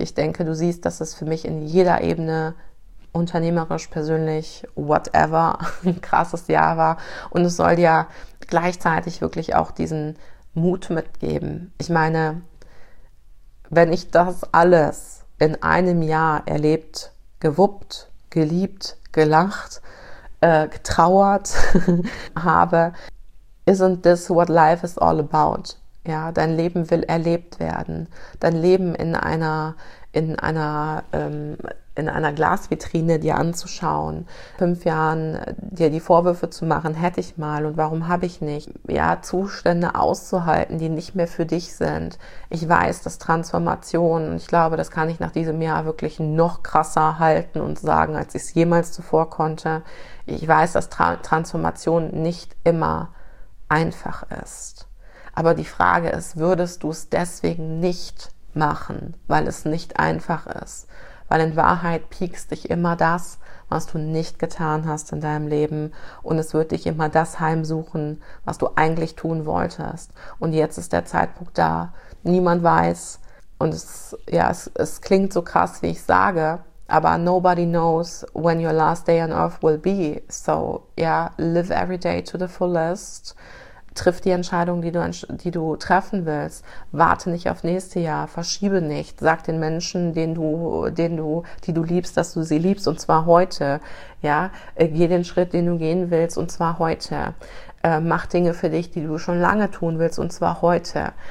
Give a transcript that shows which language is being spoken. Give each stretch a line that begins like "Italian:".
German: Ich denke, du siehst, dass es für mich in jeder Ebene, unternehmerisch, persönlich, whatever, ein krasses Jahr war. Und es soll dir gleichzeitig wirklich auch diesen Mut mitgeben. Ich meine, wenn ich das alles in einem Jahr erlebt, gewuppt, geliebt, gelacht, getrauert habe,
English: isn't this what life is all about?
German: Ja, dein Leben will erlebt werden. Dein Leben in einer Glasvitrine dir anzuschauen, 5 Jahren dir die Vorwürfe zu machen, hätte ich mal und warum habe ich nicht? Ja, Zustände auszuhalten, die nicht mehr für dich sind. Ich weiß, dass Transformation, ich glaube, das kann ich nach diesem Jahr wirklich noch krasser halten und sagen, als ich es jemals zuvor konnte. Ich weiß, dass Transformation nicht immer einfach ist. Aber die Frage ist, würdest du es deswegen nicht machen, weil es nicht einfach ist? Weil in Wahrheit piekst dich immer das, was du nicht getan hast in deinem Leben. Und es wird dich immer das heimsuchen, was du eigentlich tun wolltest. Und jetzt ist der Zeitpunkt da. Niemand weiß. Und es klingt so krass, wie ich sage. Aber
English: nobody knows when your last day on earth will be. So, yeah, live every day to the fullest.
German: Triff die Entscheidung, die du treffen willst. Warte nicht auf nächste Jahr, verschiebe nicht. Sag den Menschen, die du liebst, dass du sie liebst und zwar heute. Ja, geh den Schritt, den du gehen willst und zwar heute. Mach Dinge für dich, die du schon lange tun willst und zwar heute.